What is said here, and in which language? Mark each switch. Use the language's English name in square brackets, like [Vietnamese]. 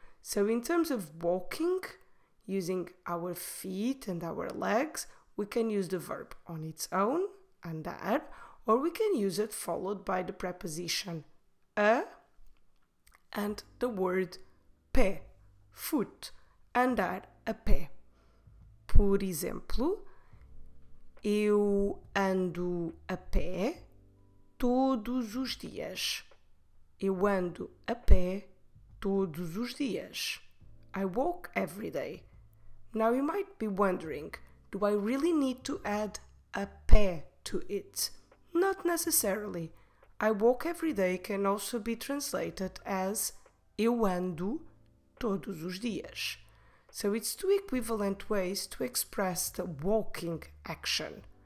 [English] So in terms of walking, using our feet and our legs, we can use the verb on its own, andar, or we can use it followed by the preposition a and the word pé, foot, andar a pé. [Portuguese] Por exemplo, eu ando a pé todos os dias. Eu ando a pé todos os dias. [English] I walk every day. Now you might be wondering, do I really need to add a pé to it? Not necessarily. I walk every day can also be translated as [Portuguese] eu ando todos os dias. [English] So it's two equivalent ways to express the walking action.